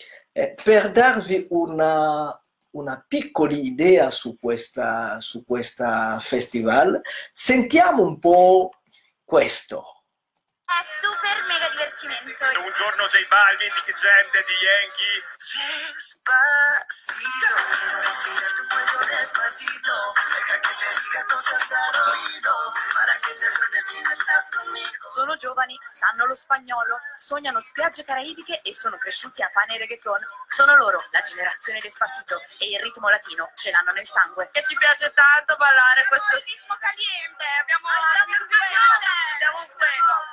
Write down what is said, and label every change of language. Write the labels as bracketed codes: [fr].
[it] Per darvi una piccola idea su questa festival. Sentiamo un po' questo. È super mega divertimento. Un giorno J Balvin, Nicky Jam, Daddy Yankee. [es] Despacito, quiero respirar tu cuello despacito. Deja que te diga cosas al oído, para que te acuerdes si no estás conmigo. [it] Sono giovani, sanno lo spagnolo, sognano spiagge caraibiche e sono cresciuti a pane e reggaeton. Sono loro, la generazione Despacito, e il ritmo latino ce l'hanno nel sangue. Che ci piace tanto ballare questo. [es] Ritmo caliente, [it] abbiamo siamo un [es] fuego.